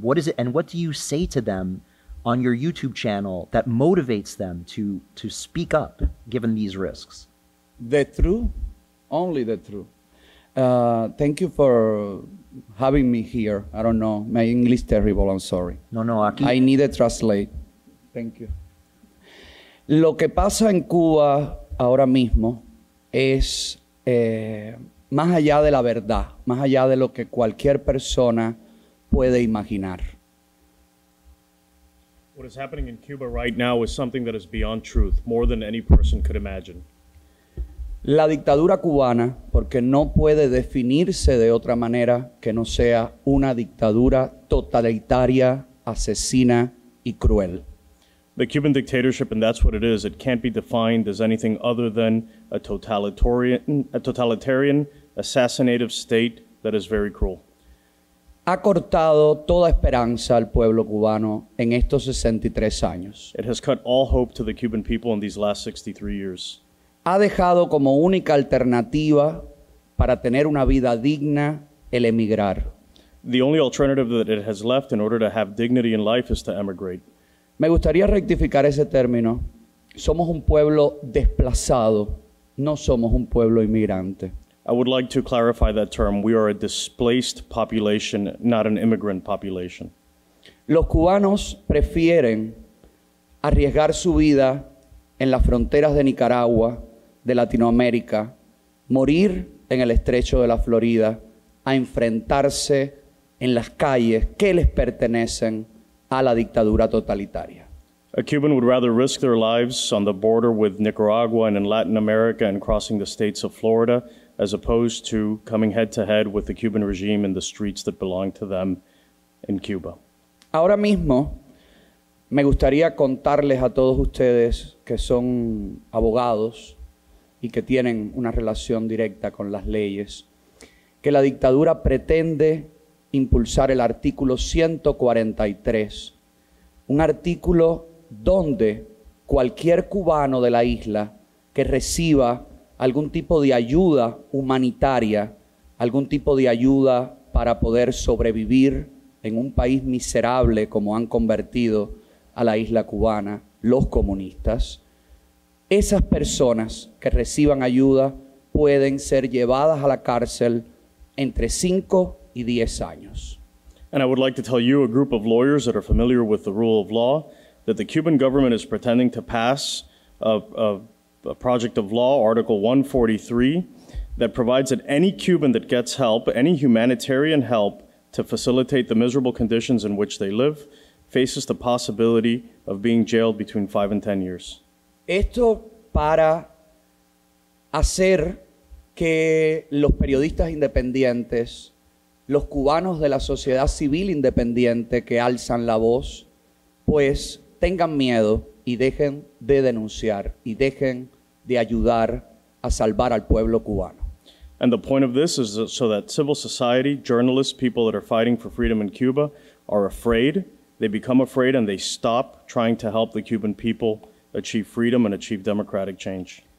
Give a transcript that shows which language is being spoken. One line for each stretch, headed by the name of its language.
English: What is it? And what do you say to them on your YouTube channel that motivates them to speak up given these risks? The truth, only the truth. Thank you for having me here. I don't know, my English is terrible, I'm sorry.
Spanish: No, aquí.
English: I need a translate. Thank you.
Spanish: Lo que pasa en Cuba ahora mismo es más allá de la verdad, más allá de lo que cualquier persona puede imaginar.
English: What is happening in Cuba right now is something that is beyond truth, more than any person could imagine.
Spanish: La dictadura cubana, porque no puede definirse de otra manera que no sea una dictadura totalitaria, asesina y cruel.
English: The Cuban dictatorship, and that's what it is, it can't be defined as anything other than a totalitarian, assassinative state that is very cruel.
Spanish: Ha cortado toda esperanza al pueblo cubano en estos 63 años.
English: It has cut all hope to the Cuban people in these last 63 years.
Spanish: Ha dejado como única alternativa para tener una vida digna el emigrar.
English: The only alternative that it has left in order to have dignity in life is to emigrate.
Spanish: Me gustaría rectificar ese término. Somos un pueblo desplazado, no somos un pueblo inmigrante.
English: I would like to clarify that term. We are a displaced population, not an immigrant population.
Spanish: Los cubanos prefieren arriesgar su vida en las fronteras de Nicaragua, de Latinoamérica, morir en el estrecho de la Florida, a enfrentarse en las calles que les pertenecen a la dictadura totalitaria.
English: A Cuban would rather risk their lives on the border with Nicaragua and in Latin America and crossing the states of Florida, as opposed to coming head to head with the Cuban regime in the streets that belong to them in Cuba.
Spanish: Ahora mismo, me gustaría contarles a todos ustedes que son abogados y que tienen una relación directa con las leyes, que la dictadura pretende impulsar el artículo 143, un artículo donde cualquier cubano de la isla que reciba algún tipo de ayuda humanitaria, algún tipo de ayuda para poder sobrevivir en un país miserable como han convertido a la isla cubana, los comunistas, esas personas que reciban ayuda pueden ser llevadas a la cárcel entre 5 y 10 años.
English: And I would like to tell you, a group of lawyers that are familiar with the rule of law, that the Cuban government is pretending to pass a project of law, Article 143, that provides that any Cuban that gets help, any humanitarian help, to facilitate the miserable conditions in which they live, faces the possibility of being jailed between 5 and 10 years.
Spanish: Esto para hacer que los periodistas independientes, los cubanos de la sociedad civil independiente que alzan la voz, pues tengan miedo y dejen de denunciar y dejen de ayudar a salvar al pueblo cubano.
English: And the point of this is so that civil society, journalists, people that are fighting for freedom in Cuba are afraid, they become afraid, and they stop trying to help the Cuban people achieve freedom and achieve democratic change.